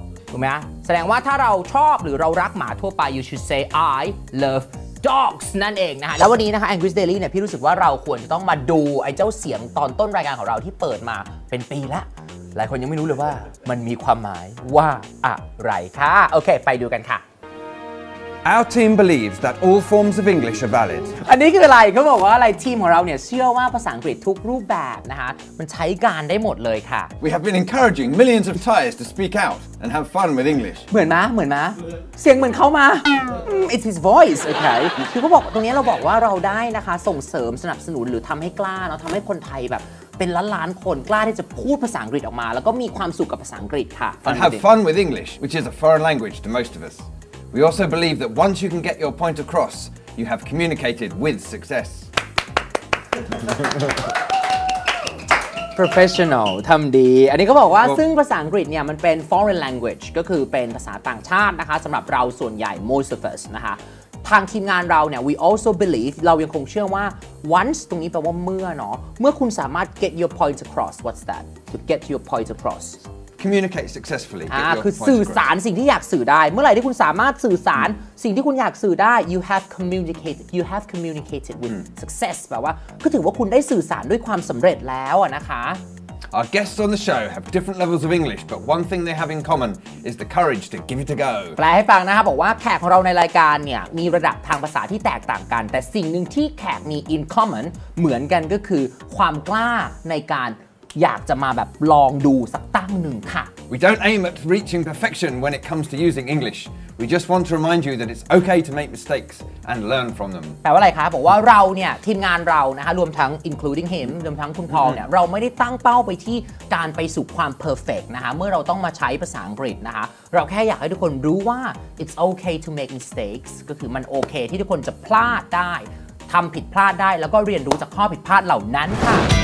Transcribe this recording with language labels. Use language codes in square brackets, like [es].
[th] ถูกไหมแสดงว่าถ้าเราชอบหรือเรารักหมาทั่วไป [en] you should say I lovedogs [th] นั่นเองนะฮะแล้ววันนี้นะคะ English Daily เนี่ยพี่รู้สึกว่าเราควรจะต้องมาดูไอ้เจ้าเสียงตอนต้นรายการของเราที่เปิดมาเป็นปีละหลายคนยังไม่รู้เลยว่ามันมีความหมายว่าอะไรค่ะโอเคไปดูกันค่ะ [en] Our team believes that all forms of English are valid [th] อันนี้คืออะไรเขาบอกว่าอะไรทีมของเราเนี่ยเชื่อว่าภาษาอังกฤษทุกรูปแบบนะคะมันใช้การได้หมดเลยค่ะ [en] We have been encouraging millions of Thais to speak out and have fun with English [th] เหมือนมะเหมือนมะเสียงเหมือนเขามา [en] It's his voice okay [th] คือเขาบอกตรงนี้เราบอกว่าเราได้นะคะส่งเสริมสนับสนุนหรือทำให้กล้าเนาะทำให้คนไทยแบบเป็นล้านล้านคนกล้าที่จะพูดภาษาอังกฤษออกมาแล้วก็มีความสุขกับภาษาอังกฤษค่ะ [en] And have fun with English which is a foreign language to most of usWe also believe that once you can get your point across, you have communicated with success. [th] Professional, ทำดีอันนี้ก็บอกว่าซึ่งภาษาอังกฤษเนี่ยมันเป็น [en] foreign language [th] ก็คือเป็นภาษาต่างชาตินะคะสำหรับเราส่วนใหญ่ [en] most of us [th] นะคะทางทีมงานเราเนี่ย [en] we also believe [th] เรายังคงเชื่อว่า once ตรงนี้แปลว่าเมื่อเนาะเมื่อคุณสามารถ [en] get your point across what's that to get your point acrossc ommunicate successfully [th] คือสื่อสารสิ่งที่อยากสื่อได้เมื่อไหร่ที่คุณสามารถสื่อสารสิ่งที่คุณอยากสื่อได้ [en] you have communicated with success [th] แปลว่าก็ถือว่าคุณได้สื่อสารด้วยความสำเร็จแล้วนะคะ [en] Our guests on the show have different levels of English but one thing they have in common is the courage to give it a go [th] แปลให้ฟังนะครับบอกว่าแขกของเราในรายการเนี่ยมีระดับทางภาษาที่แตกต่างกันแต่สิ่งนึงที่แขกมี [en] in common [th] เหมือนกันก็คือความกล้าในการอยากจะมาแบบลองดูสักตั้งหนึ่งค่ะ [en] We don't aim at reaching perfection when it comes to using English. We just want to remind you that it's okay to make mistakes and learn from them. [th] แปลว่าอะไรคะบอกว่าเราเนี่ยทีมงานเรานะคะรวมทั้ง [en] including him [th] รวมทั้งคุณพอลเนี่ยเราไม่ได้ตั้งเป้าไปที่การไปสู่ความ perfect นะคะเมื่อเราต้องมาใช้ภาษาอังกฤษนะคะเราแค่อยากให้ทุกคนรู้ว่า [en] it's okay to make mistakes [th] ก็คือมันโอเคที่ทุกคนจะพลาดได้ทำผิดพลาดได้แล้วก็เรียนรู้จากข้อผิดพลาดเหล่านั้นค่ะ